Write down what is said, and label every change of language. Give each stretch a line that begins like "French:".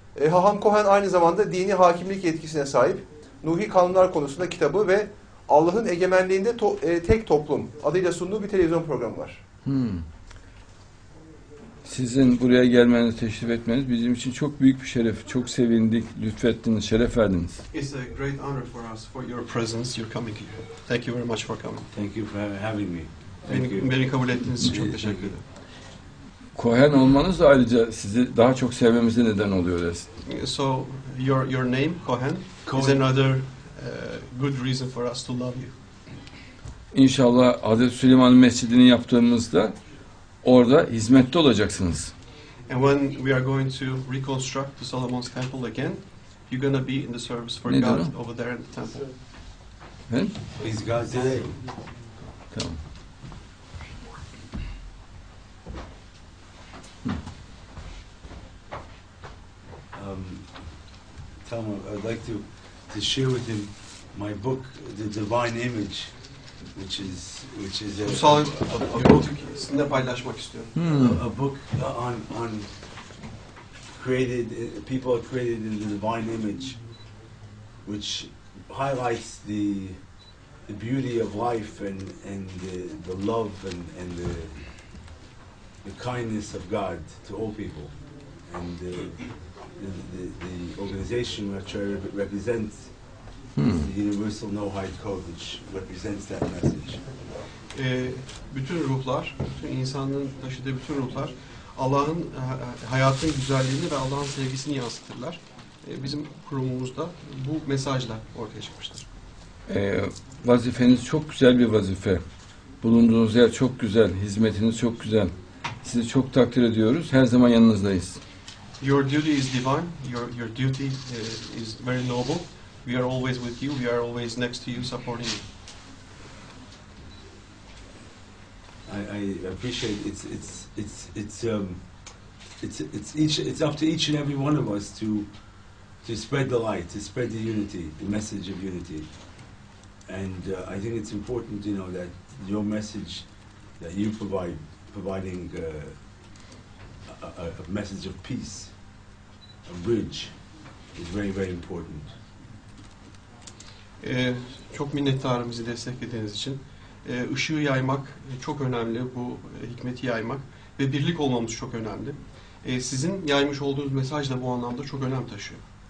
Turkish: Haham Cohen aynı zamanda dini hakimlik yetkisine sahip Nuhi kanunlar konusunda kitabı ve Allah'ın egemenliğinde tek toplum adıyla sunduğu bir televizyon programı var. Sizin buraya gelmeniz, teşrif etmeniz bizim için çok büyük bir şeref. Çok sevindik, lütfettiniz, şeref verdiniz.
English: It's a great honor for us for your presence, your coming here. Thank you very much for coming. Thank you for having me.
Turkish: Beni kabul ettiğiniz için çok teşekkür ederim. Cohen olmanız da ayrıca sizi daha çok sevmemize neden oluyor desin.
English: So your name Cohen is another good reason for us to love you.
Turkish: İnşallah Hazreti Süleyman Mescidi'ni yaptığımızda orada hizmette olacaksınız.
English: And when we are going to reconstruct the Solomon's Temple again, you're going to be in the service for God over there in the temple.
Turkish: Evet.
English: Is God today?
Turkish: Tamam. Tamam,
English: I'd like to share with him my book, The Divine Image. A book on created people are created in the divine image, which highlights the beauty of life and the love and the kindness of God to all people, and the organization which I represent. The Universal Noahide Code, which represents that message.
Turkish: Bütün ruhlar, bütün insanlığın taşıdığı bütün ruhlar, Allah'ın hayatın güzelliğini ve Allah'ın sevgisini yansıtırlar. Bizim kurumumuzda bu mesajla ortaya çıkmıştır. Vazifeniz çok güzel bir vazife. Bulunduğunuz yer çok güzel, hizmetiniz çok güzel. Sizi çok takdir ediyoruz. Her zaman yanınızdayız.
English: Your duty is divine. Your duty is very noble. We are always with you. We are always next to you, supporting you. I appreciate it. It's up to each and every one of us to spread the light, to spread the unity, the message of unity. And I think it's important, you know, that your message that you providing a message of peace, a bridge, is very, very important.
Turkish: Çok minnettarım bizi desteklediğiniz için. Işığı yaymak çok önemli, bu hikmeti yaymak ve birlik olmamız çok önemli. Sizin yaymış olduğunuz mesaj da bu anlamda çok önem taşıyor.